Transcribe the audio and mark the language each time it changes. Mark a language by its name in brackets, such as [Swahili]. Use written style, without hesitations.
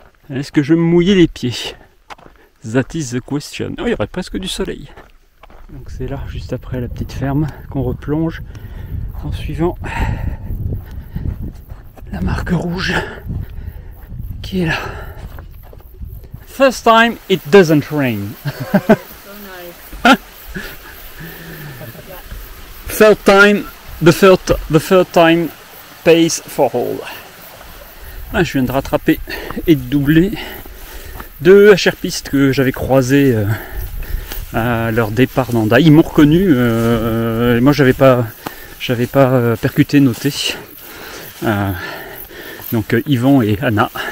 [French] Est-ce que je vais me mouiller les pieds? [English] That is the question. [French] Oh, il y aurait presque du soleil. Donc c'est là, juste après la petite ferme, qu'on replonge en suivant la marque rouge qui est là. [English] First time it doesn't rain. Third time, the third time pays for all. [French] Là, je viens de rattraper et de doubler deux HRPistes que j'avais croisés à leur départ d'Anda. Ils m'ont reconnu, moi j'avais pas percuté, noté. Donc Yvan et Anna.